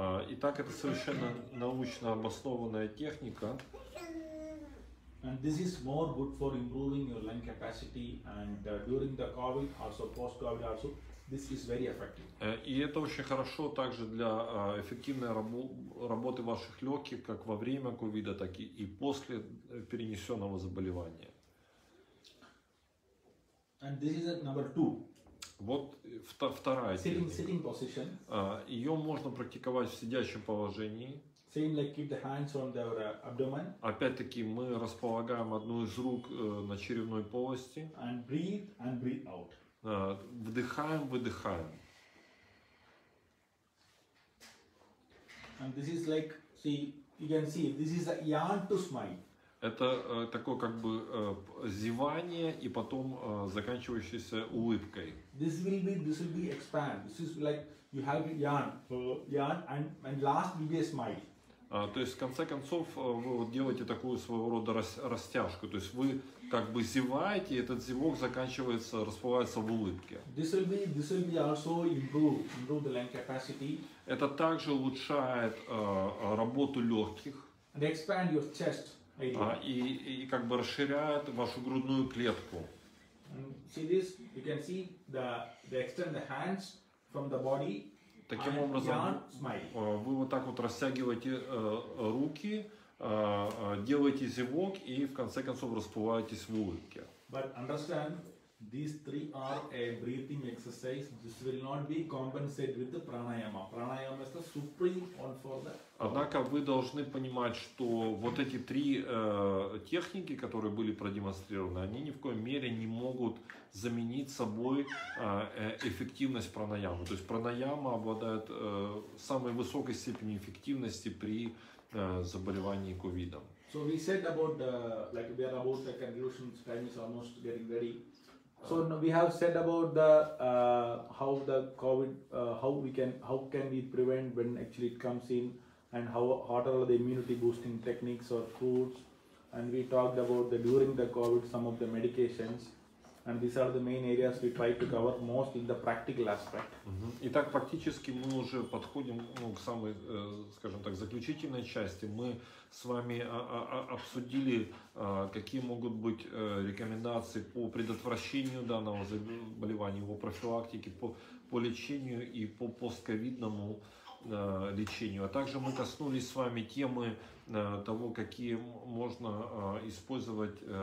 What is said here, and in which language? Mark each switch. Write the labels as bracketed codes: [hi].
[ru] И так это совершенно научно обоснованная техника. [en] And this is more good for improving your lung capacity and during the COVID, also post COVID, also. This is very effective. [ru] И это очень хорошо также для эффективной работы ваших легких, как во время ковида, так и после перенесенного заболевания. [en] And this is number two. [ru] Вот вторая техника. [en] Sitting position. [ru] Ее можно практиковать в сидячем положении. [en] Same like keep the hands on the abdomen. [ru] Опять-таки мы располагаем одну из рук на черепной полости. [en] And breathe out. [ru] Вдыхаем, выдыхаем. [en] And this is like, see, you can see, this is a yawn to smile. [ru] Это такое как бы зевание и потом заканчивающееся улыбкой. [en] This will be expand. This is like you have yawn and last will be a smile. [ru] То есть в конце концов вы вот делаете такую своего рода растяжку. То есть вы как бы зеваете, и этот зевок заканчивается, расплывается в улыбке. [en] This will be also improve the lung capacity. [ru] Это также улучшает работу легких. [en] And expand your chest. [ru] И как бы расширяет вашу грудную клетку. [en] See this? You can see the extend the hands from the body. [ru] Таким образом, вы вот так вот растягиваете руки, делаете зевок и в конце концов расплываетесь в улыбке. [en] But understand, these three are a breathing exercise. This will not be compensated with the pranayama. Pranayama is the supreme one for that. [ru] Однако вы должны понимать, что вот эти три техники, которые были продемонстрированы, они ни в коей мере не могут заменить собой эффективность пранаямы. То есть пранаяма обладает самой высокой степенью эффективности при заболевании ковидом. [en] So we said about like we are about the conclusion, time is almost getting ready. So we have said about the how the COVID, how can we prevent when actually it comes in, and how what are the immunity boosting techniques or foods, and we talked about the during the COVID some of the medications, and these are the main areas we try to cover most in the practical aspect. [ru] Итак, практически мы уже подходим к самой, скажем так, заключительной части. Мы с вами обсудили, какие могут быть рекомендации по предотвращению данного заболевания, его профилактике, по лечению и по постковидному лечению. А также мы коснулись с вами темы того, какие можно использовать